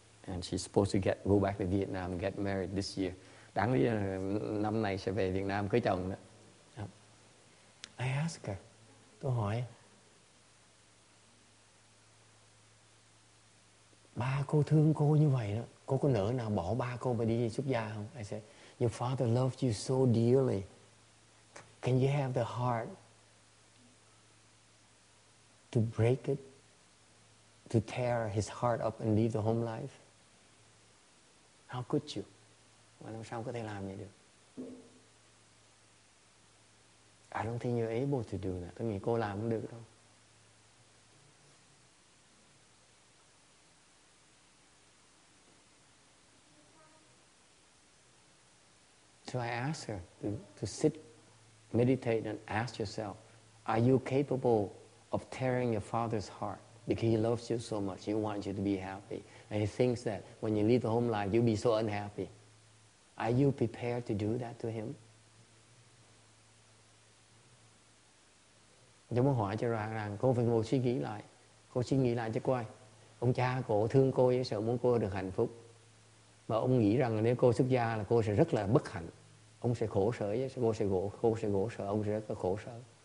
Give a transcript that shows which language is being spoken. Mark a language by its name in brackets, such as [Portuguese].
[English] And she's supposed to go back to Vietnam, get married this year. [Vietnamese] Đáng lý là năm nay sẽ về Việt Nam cưới chồng đó. [English] I ask her. [Vietnamese] Tôi hỏi. Ba cô thương cô như vậy đó. Cô có nỡ nào bỏ ba cô mà đi xuất gia không? [English] I said, your father loved you so dearly. Can you have the heart to break it, to tear his heart up and leave the home life? How could you? [Vietnamese] Mà làm sao có thể làm vậy được? [English] I don't think you're able to do that. [Vietnamese] Tôi nghĩ cô làm không được đâu. [English] So I asked her to sit, meditate and ask yourself, are you capable of tearing your father's heart because he loves you so much, he wants you to be happy, and he thinks that when you leave the home life, you'll be so unhappy. Are you prepared to do that to him? [Vietnamese] Tôi muốn hỏi cho rằng cô phải ngồi suy nghĩ lại. Cô suy nghĩ lại cho coi. Ông cha cô thương cô, sợ muốn cô được hạnh phúc. Mà ông nghĩ rằng nếu cô xuất gia là cô sẽ rất là bất hạnh. Ông sẽ khổ sở, cô sẽ khổ sở, ông sẽ rất là khổ sở.